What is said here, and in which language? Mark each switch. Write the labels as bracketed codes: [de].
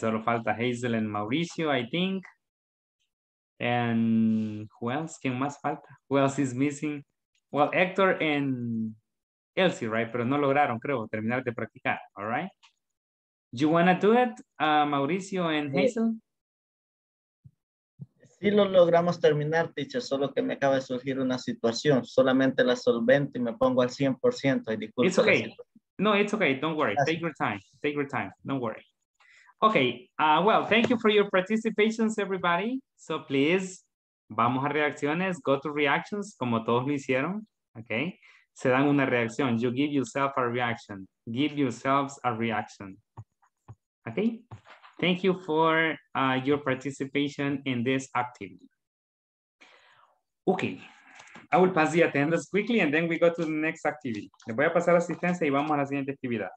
[es] Solo falta [en] Hazel and Mauricio, I think. And who else? [es] ¿Quién más falta? [en] Who else is missing? Well, Hector and Elsie, right? [es] Pero no lograron, creo, terminar de practicar. [en] All right. You want to do it, Mauricio and Hazel? [es] Sí, lo logramos terminar, teacher. Solo que me acaba de surgir una situación. Solamente la solvento y me pongo al 100%. Y disculpa. [en] It's okay. No, it's okay. Don't worry. Take your time. Take your time. Don't worry. Okay. Well, thank you for your participations, everybody. So please, [es] vamos a reacciones. [en] Go to reactions, [es] como todos lo hicieron. Okay. Se dan una reacción. [en] You give yourself a reaction. Give yourselves a reaction. Okay. Thank you for your participation in this activity. Okay. I will pass the attendance quickly and then we go to the next activity. [es] Le voy a pasar asistencia y vamos a la siguiente actividad.